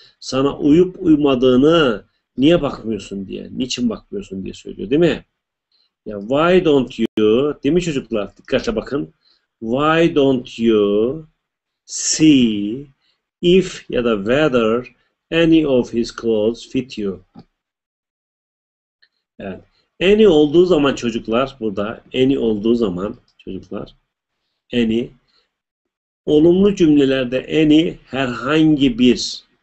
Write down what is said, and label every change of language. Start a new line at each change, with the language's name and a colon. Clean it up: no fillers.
Turkish: Sana uyup uyumadığını niye bakmıyorsun diye, niçin bakmıyorsun diye söylüyor değil mi? Ya
English: why don't you,
Turkish: değil mi çocuklar? Dikkatle bakın.
English: Why don't you see if
Turkish: ya da
English: whether any of his clothes fit you.
Turkish: Evet. Any olduğu zaman çocuklar burada any olduğu zaman çocuklar any olumlu cümlelerde any herhangi bir